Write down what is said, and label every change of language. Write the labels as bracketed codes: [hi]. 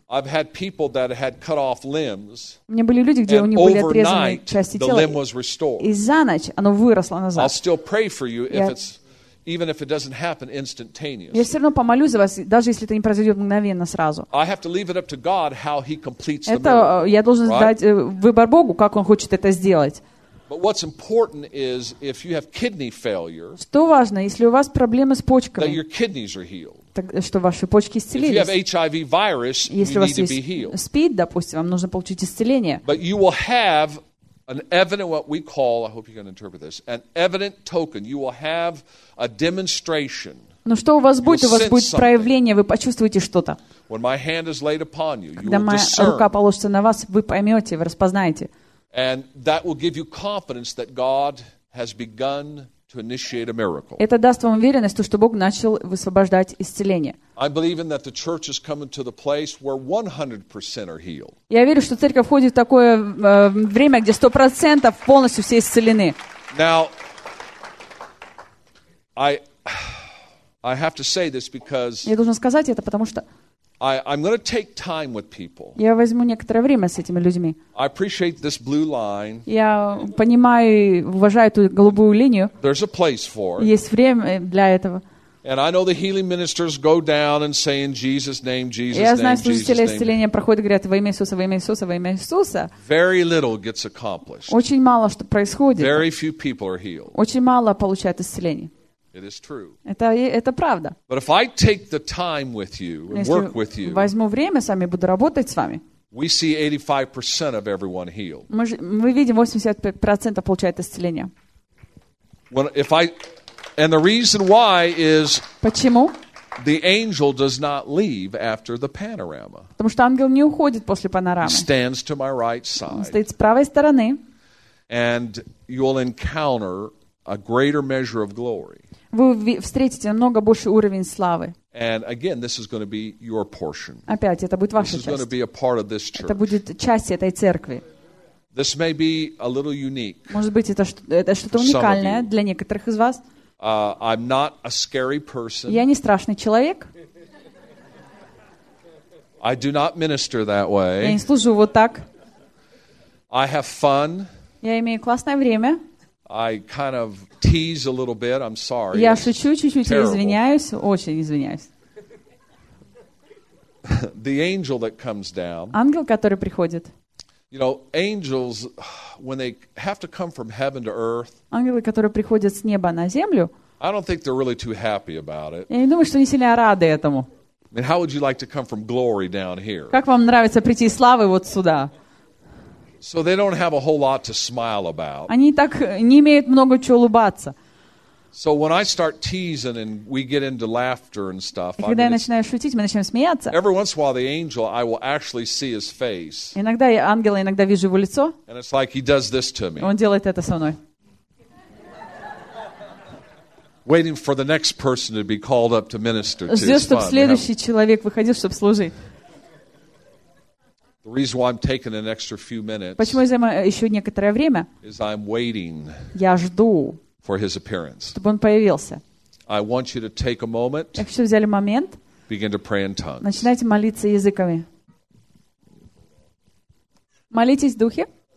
[ru] У меня были люди, где у них были отрезаны части тела. И за ночь оно выросло назад. [en] Я Even if it doesn't happen instantaneously. [ru] Я все равно помолюсь за вас, даже если это не произойдет мгновенно сразу. [en] I have to leave it up to God how He completes the miracle. [ru] Это я должен дать выбор Богу, как Он хочет это сделать. [en] But what's important is if you have kidney failure. [ru] Что важно, если у вас проблемы с почками. [en] That your kidneys are healed. [ru] Так, что ваши почки исцелились. [en] If you have HIV virus, [ru] если [en] you need to be healed. [ru] СПИД, допустим, вам нужно получить исцеление. [en] But you will have an evident what we call. I hope you can interpret this. An evident token. You will have a demonstration. [ru] Ну что у вас будет? У вас будет проявление. Вы почувствуете что-то. [en] When my hand is laid upon you, [ru] когда моя рука положится на вас, вы поймете, вы распознаете. [en] And that will give you confidence that God has begun to initiate a miracle. [ru] Это даст вам уверенность, что Бог начал высвобождать исцеление. [en] I believe in that the church is coming to the place where 100% are healed. [ru] Я верю, что церковь входит в такое время, где 100% полностью все исцелены. [en] Now, I have to say this because [ru] я должен сказать это, потому что [en] I'm going to take time with people. [ru] Я возьму некоторое время с этими людьми. [en] I appreciate this blue line. [ru] Я понимаю, уважаю эту голубую линию. [en] There's a place for it. [ru] Есть время для этого. [en] And I know the healing ministers go down and say in Jesus' name, Jesus' Jesus' name. [ru] Я знаю, служители исцеления проходят и говорят во имя Иисуса, во имя Иисуса, во имя Иисуса. [en] Very little gets accomplished. [ru] Очень мало что происходит. [en] Very few people are healed. [ru] Очень мало получают исцеление. [en] It is true. [ru] Это правда. [en] But if I take the time with you and work with you, [ru] возьму время с вами, буду работать с вами, [en] we see 85% of everyone healed. [ru] Мы видим 85% получает исцеление. [en] When, if I, And the reason why is [ru] Почему? [en] The angel does not leave after the panorama. [ru] Потому что ангел не уходит после панорамы. [en] He stands to my right side. [ru] Он стоит с правой стороны. [en] And you will encounter a greater measure of glory. [ru] Вы встретите намного больше уровень славы. [en] And again, this is going to be your portion. [ru] Опять, это будет ваша часть. [en] This is going to be a part of this church. [ru] Это будет часть этой церкви. [en] This may be a little unique. [ru] Может быть, это что-то уникальное для некоторых из вас. [en] I'm not a scary person. [ru] Я не страшный человек. [en] I do not minister that way. [ru] Я не служу вот так. [en] I have fun. [ru] Я имею классное время. [en] I kind of tease a little bit. I'm sorry. [ru] Я шучу чуть-чуть, извиняюсь, очень извиняюсь. [en] The angel that comes down. [ru] Ангел, который приходит. [en] You know, angels, when they have to come from heaven to earth. [ru] Ангелы, которые приходят с неба на землю. [en] I don't think they're really too happy about it. [ru] Я не думаю, что они сильно рады этому. [en] And how would you like to come from glory down here? [ru] Как вам нравится прийти славы вот сюда? [en] So they don't have a whole lot to smile about. [ru] Они так не имеют много чего улыбаться. [en] So when I start teasing and we get into laughter and stuff, [ru] и когда я начинаю шутить, мы начинаем смеяться. [en] Every once in a while, the angel, I will actually see his face. [ru] Иногда я ангела, иногда вижу его лицо. [en] And it's like he does this to me. [ru] Он делает это со мной. [en] Waiting for the next person to be called up to minister to. [ru] Ждет, чтобы следующий человек выходил, чтобы служить. [en] The reason why I'm taking an extra few minutes. [ru] Почему я займу еще некоторое время? [en] Is I'm waiting. [ru] Я жду. [en] For his appearance. [ru] Чтобы он появился. [en] I want you to take a moment. [ru] Я хочу, взяли момент. [en] Begin to pray in tongues. [ru] Начинайте молиться языками. Молитесь в духе.